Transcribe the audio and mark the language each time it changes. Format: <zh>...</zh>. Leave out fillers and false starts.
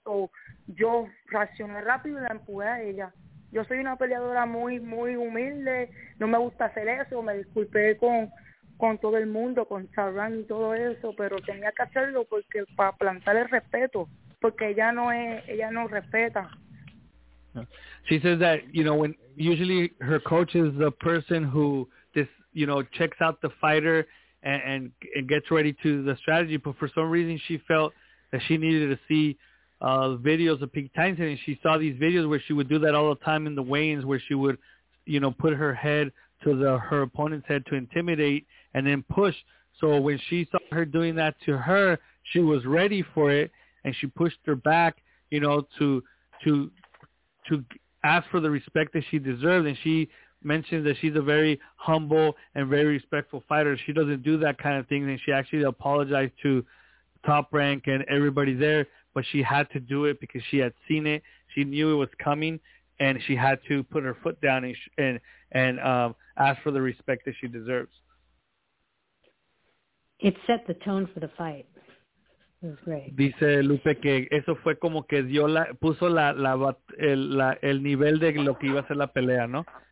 <es>So, yo reaccioné rápido y la empujé a ella. Yo soy una peleadora muy, muy humilde. No me gusta hacer eso. Me disculpé con todo el mundo, con Charran y todo eso, pero tenía que hacerlo porque para plantar el respeto, porque ella no respeta.</es> <en>She says that, you know, when usually her coach is the person who this, you know, checks out the fighter and gets ready to the strategy, but for some reason she felt that she needed to see videos of Pink Tyson, and she saw these videos where she would do that all the time in the weigh-ins, where she would, you know, put her head to her opponent's head to intimidate and then push. So when she saw her doing that to her, she was ready for it, and she pushed her back, you know, to ask for the respect that she deserved. And she mentions that she's a very humble and very respectful fighter. She doesn't do that kind of thing, and she actually apologized to Top Rank and everybody there, but she had to do it because she had seen it. She knew it was coming, and she had to put her foot down and ask for the respect that she deserves. It set the tone for the fight. It was great.</en> <es>Dice Lupe que eso fue como que dio la puso la la el la, el nivel de lo que iba a ser la pelea, ¿no?</es>